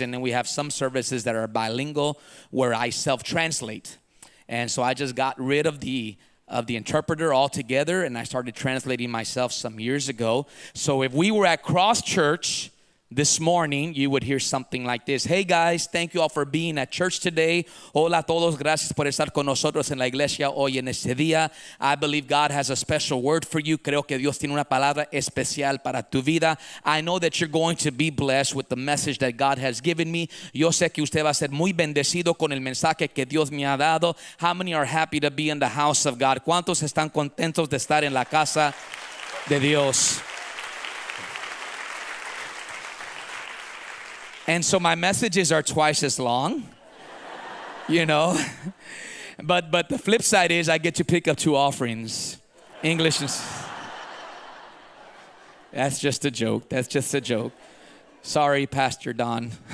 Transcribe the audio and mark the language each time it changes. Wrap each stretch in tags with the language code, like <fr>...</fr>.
<en>And then we have some services that are bilingual where I self-translate. And so I just got rid of the interpreter altogether. And I started translating myself some years ago. So if we were at Cross Church this morning, you would hear something like this. Hey, guys, thank you all for being at church today.</en> <es>Hola a todos, gracias por estar con nosotros en la iglesia hoy en este día.</es> <en>I believe God has a special word for you.</en> <es>Creo que Dios tiene una palabra especial para tu vida.</es> <en>I know that you're going to be blessed with the message that God has given me.</en> <es>Yo sé que usted va a ser muy bendecido con el mensaje que Dios me ha dado.</es> <en>How many are happy to be in the house of God?</en> <es>¿Cuántos están contentos de estar en la casa de Dios?</es> <en>And so my messages are twice as long, you know. But the flip side is I get to pick up two offerings, English. That's just a joke. That's just a joke. Sorry, Pastor Don.</en>